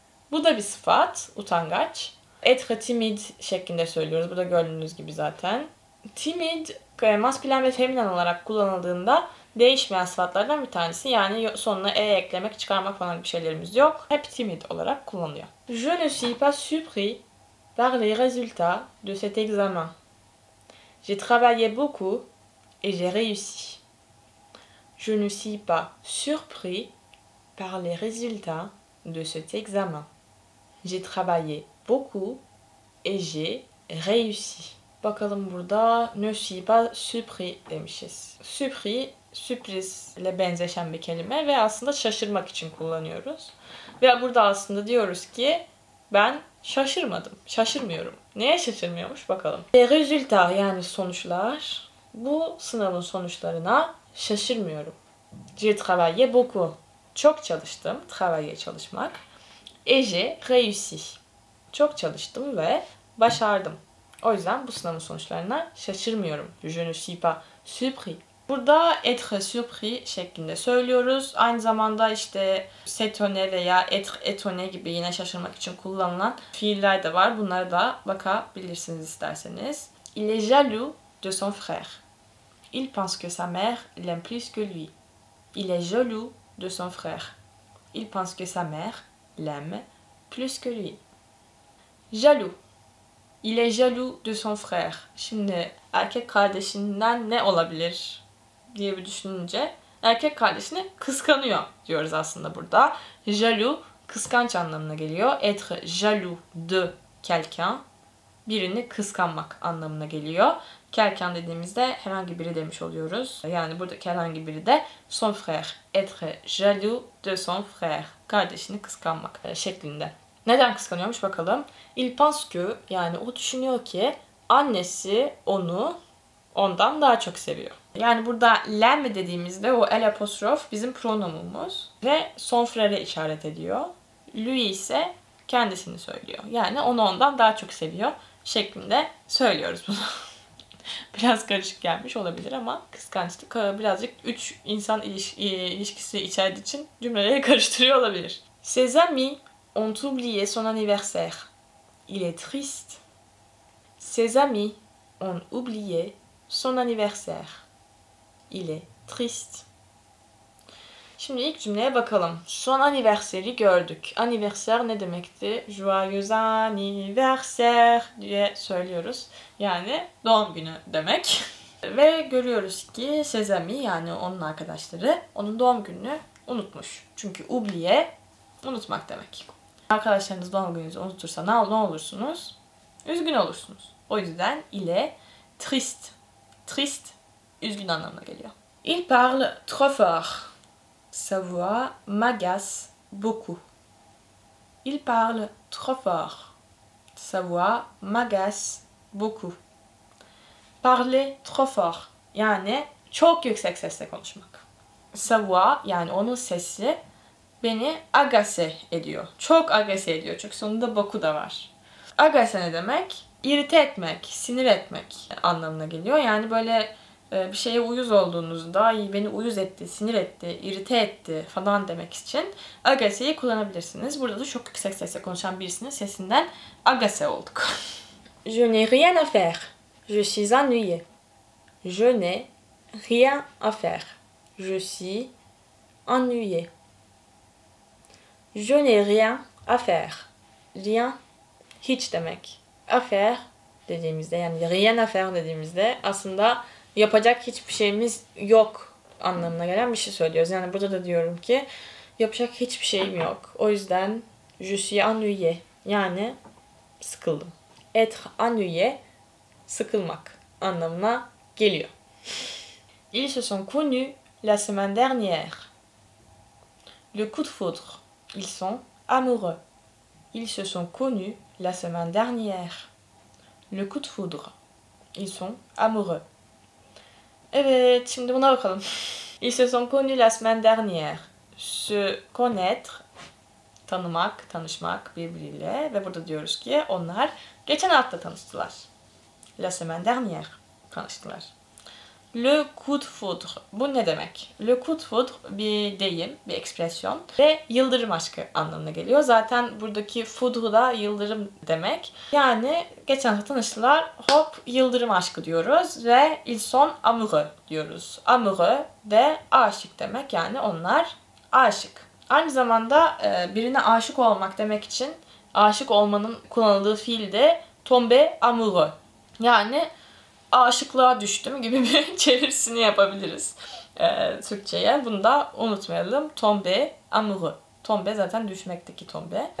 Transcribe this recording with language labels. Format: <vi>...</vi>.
<tr>Bu da bir sıfat. Utangaç.</tr> <fr>Être timide</fr> <tr>şeklinde söylüyoruz. Bu da gördüğünüz gibi zaten. Timide, maskülen ve feminen olarak kullanıldığında değişmeyen sıfatlardan bir tanesi. Yani sonuna e eklemek, çıkarmak falan bir şeylerimiz yok. Hep timide olarak kullanılıyor.</tr> <fr>Je ne suis pas surpris par les résultats de cet examen. J'ai travaillé beaucoup et j'ai réussi. Je ne suis pas surpris par les résultats de cet examen. J'ai travaillé beaucoup et j'ai réussi.</fr> <tr>Bakalım burada</tr> <fr>ne suis pas surpris</fr> <tr>demişiz. Surpris, sürprizle benzeşen bir kelime ve aslında şaşırmak için kullanıyoruz. Ve burada aslında diyoruz ki ben şaşırmadım, şaşırmıyorum. Neye şaşırmıyormuş bakalım.</tr> <fr>Les résultats</fr> <tr>yani sonuçlar. Bu sınavın sonuçlarına şaşırmıyorum.</tr> <fr>J'ai travaillé beaucoup.</fr> <tr>Çok çalıştım. Travaillé çalışmak.</tr> <fr>Et j'ai réussi.</fr> <tr>Çok çalıştım ve başardım. O yüzden bu sınavın sonuçlarına şaşırmıyorum.</tr> <fr>Je ne suis pas surpris.</fr> <tr>Burada</tr> <fr>être surpris</fr> <tr>şeklinde söylüyoruz. Aynı zamanda işte s'étonner veya</tr> <fr>être étonné</fr> <tr>gibi yine şaşırmak için kullanılan fiiller de var. Bunlara da bakabilirsiniz isterseniz.</tr> <fr>Il est jaloux de son frère. Il pense que sa mère l'aime plus que lui. Il est jaloux de son frère. Il pense que sa mère l'aime plus que lui. Jaloux. Il est jaloux de son frère.</fr> <tr>Şimdi erkek kardeşinden ne olabilir diye bir düşününce erkek kardeşini kıskanıyor diyoruz aslında burada. Jaloux kıskanç anlamına geliyor.</tr> <fr>Être jaloux de quelqu'un</fr> <tr>birini kıskanmak anlamına geliyor. Quelqu'un dediğimizde herhangi biri demiş oluyoruz. Yani burada herhangi biri de</tr> <fr>son frère.</fr> <tr>Être jaloux de son frère. Kardeşini kıskanmak şeklinde. Neden kıskanıyormuş bakalım.</tr> <fr>Il pense que,</fr> <tr>yani o düşünüyor ki annesi onu ondan daha çok seviyor. Yani burada l'aime dediğimizde o el apostrof bizim pronomumuz. Ve son frère'e işaret ediyor. Lui ise kendisini söylüyor. Yani onu ondan daha çok seviyor şeklinde söylüyoruz bunu. Biraz karışık gelmiş olabilir ama kıskançlık birazcık üç insan ilişkisi içerdiği için cümleleri karıştırıyor olabilir.</tr> <fr>Ses amis ont oublié son anniversaire. Il est triste. Ses amis ont oublié son anniversaire. Il est triste.</fr> <tr>Şimdi ilk cümleye bakalım. Son anniversaire'i gördük. Anniversaire ne demekti?</tr> <fr>Joyeux anniversaire</fr> <tr>diye söylüyoruz. Yani doğum günü demek. Ve görüyoruz ki</tr> <fr>ses amis</fr> <tr>yani onun arkadaşları onun doğum gününü unutmuş. Çünkü oublié unutmak demek. Arkadaşlarınız doğum gününüzü unutursa ne olursunuz? Üzgün olursunuz. O yüzden</tr> <fr>il est triste.</fr> <tr>Triste, üzgün anlamına geliyor.</tr> <fr>Il parle trop fort. Sa voix m'agace beaucoup. Il parle trop fort. Sa voix m'agace beaucoup. Parler trop fort.</fr> <tr>Yani çok yüksek sesle konuşmak.</tr> <fr>Sa voix,</fr> <tr>yani onun sesi beni agace ediyor. Çok agace ediyor. Çünkü sonunda boku da var. Agace ne demek? İrite etmek, sinir etmek anlamına geliyor. Yani böyle bir şeye uyuz olduğunuzda beni uyuz etti, sinir etti, irite etti falan demek için agace'yi kullanabilirsiniz. Burada da çok yüksek sesle konuşan birisinin sesinden agace olduk.</tr> <fr>Je n'ai rien à faire. Je suis ennuyé. Je n'ai rien à faire. Je suis ennuyé. Je n'ai rien à faire. Rien,</fr> <tr>hiç demek. À faire dediğimizde, yani rien à faire dediğimizde aslında yapacak hiçbir şeyimiz yok anlamına gelen bir şey söylüyoruz. Yani burada da diyorum ki yapacak hiçbir şeyim yok. O yüzden</tr> <fr>je suis ennuyé.</fr> <tr>Yani sıkıldım.</tr> <fr>Être ennuyé,</fr> <tr>sıkılmak anlamına geliyor.</tr> <fr>Ils se sont connus la semaine dernière. Le coup de foudre. Ils sont amoureux. Ils se sont connus la semaine dernière. Le coup de foudre. Ils sont amoureux.</fr> <tr>Evet, şimdi buna bakalım.</tr> <fr>Ils se sont connus la semaine dernière. Se connaître.</fr> <tr>Tanımak, tanışmak birbiriyle. Ve burada diyoruz ki onlar geçen hafta tanıştılar.</tr> <fr>La semaine dernière.</fr> <tr>Tanıştılar.</tr> <fr>Le coup de foudre.</fr> <tr>Bu ne demek?</tr> <fr>Le coup de foudre</fr> <tr>bir deyim, bir ekspresyon. Ve yıldırım aşkı anlamına geliyor. Zaten buradaki foudre da yıldırım demek. Yani geçen hafta tanıştılar. Hop, yıldırım aşkı diyoruz.</tr> <fr>Ve ils sont amoureux</fr> <tr>diyoruz. Amoureux de aşık demek. Yani onlar aşık. Aynı zamanda birine aşık olmak demek için aşık olmanın kullanıldığı fiil de</tr> <fr>tomber amoureux.</fr> <tr>Yani aşıklığa düştüm gibi bir çevirisini yapabiliriz Türkçe'ye. Bunu da unutmayalım.</tr> <fr>Tombe, amoureux.</fr> <tr>Tombe zaten düşmekteki tombe.</tr>